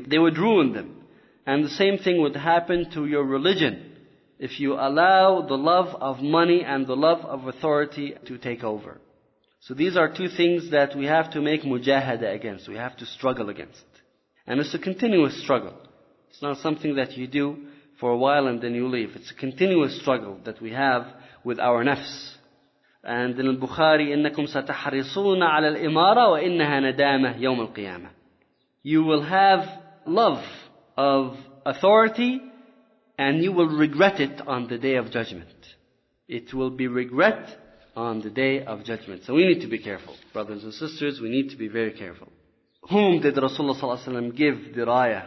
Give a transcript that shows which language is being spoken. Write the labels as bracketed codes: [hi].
[en] They would ruin them. And the same thing would happen to your religion if you allow the love of money and the love of authority to take over. So these are two things that we have to make mujahada against. We have to struggle against. And it's a continuous struggle. It's not something that you do for a while and then you leave. It's a continuous struggle that we have with our nafs. And in al-Bukhari, [ar] إِنَّكُمْ سَتَحْرِصُونَ عَلَى الْإِمَارَةِ وَإِنَّهَا نَدَامَةِ يَوْمَ الْقِيَامَةِ. [en] You will have love of authority, and you will regret it on the Day of Judgment. It will be regret on the Day of Judgment. So we need to be careful. Brothers and sisters, we need to be very careful. Whom did Rasulullah sallallahu alaihi wasallam give the raya?